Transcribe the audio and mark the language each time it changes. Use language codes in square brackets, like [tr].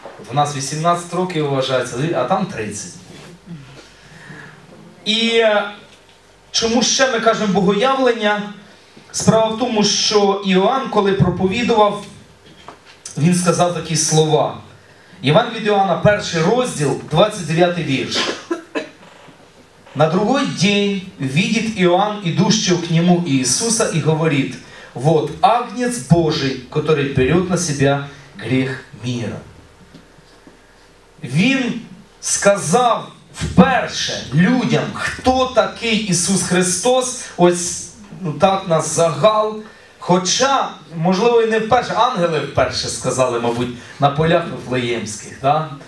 [uk] В нас 18 років вважається, а там 30. І чому ще ми кажемо богоявлення? Справа в тому, що Іоанн, коли проповідував, він сказав такі слова. Іван від Іоанна, перший розділ, 29 вірш. [ru] На другий день видит Иоанн, идущего к нему Иисуса, и говорит, вот Агнец Божий, который берет на себя грех мира. [uk] Він сказав вперше людям, хто такий Ісус Христос, ось так на загал, хоча, можливо, і не вперше, ангели вперше сказали, мабуть, на полях Вифлеємських, да?